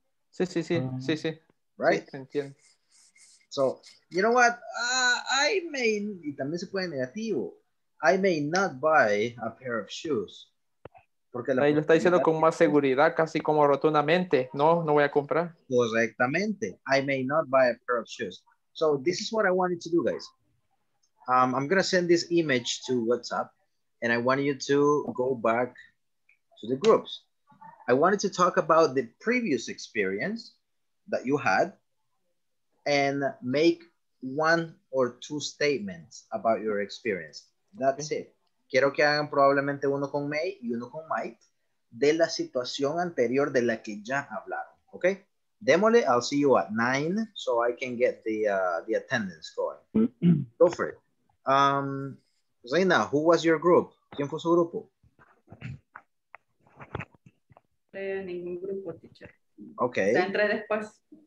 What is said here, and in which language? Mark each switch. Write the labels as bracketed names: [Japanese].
[Spanish] Sí, sí, sí. Sí, sí. [English] Right? [Spanish] Sí, entiendo. [English] So, you know what? I may, [Spanish] y también se puede en negativo, [English] I may not buy a pair of shoes. [Spanish] Porque ahí lo está diciendo con más seguridad, casi como rotundamente. No, no voy a comprar. Correctamente. [English] I may not buy a pair of shoes. So, this is what I wanted to do, guys. I'm going to send this image to WhatsApp, and I want you to go back to the groups. I wanted to talk about the previous experience that you had and make one or two statements about your experience. That's it. [Spanish] Quiero que hagan probablemente uno con May y uno con Mike de la situación anterior de la que ya hablaron, okay? Démosle, [English] I'll see you at 9 so I can get the attendance going. Go for it. Reina, who was your group? [Spanish] ¿Quién fue su grupo? Ningún grupo, teacher. [English] Okay. [Spanish] Ya entré después.